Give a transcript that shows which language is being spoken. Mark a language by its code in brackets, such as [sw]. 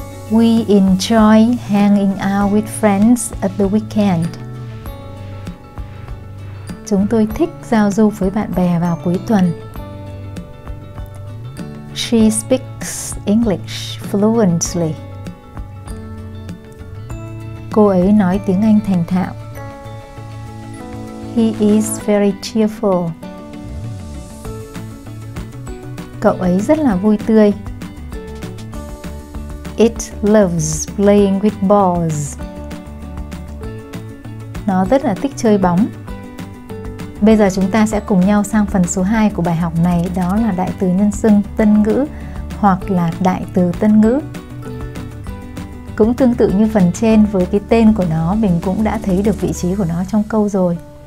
[en] We enjoy hanging out with friends at the weekend. [vi] Chúng tôi thích giao du với bạn bè vào cuối tuần. [en] She speaks English fluently. [vi] Cô ấy nói tiếng Anh thành thạo. [en] He is very cheerful. [vi] Cậu ấy rất là vui tươi. [en] It loves playing with balls. [vi] Nó rất là thích chơi bóng. Bây giờ chúng ta sẽ cùng nhau sang phần số 2 của bài học này, đó là đại từ nhân xưng tân ngữ hoặc là đại từ tân ngữ. Cũng tương tự như phần trên, với cái tên của nó, mình cũng đã thấy được vị trí của nó trong câu rồi.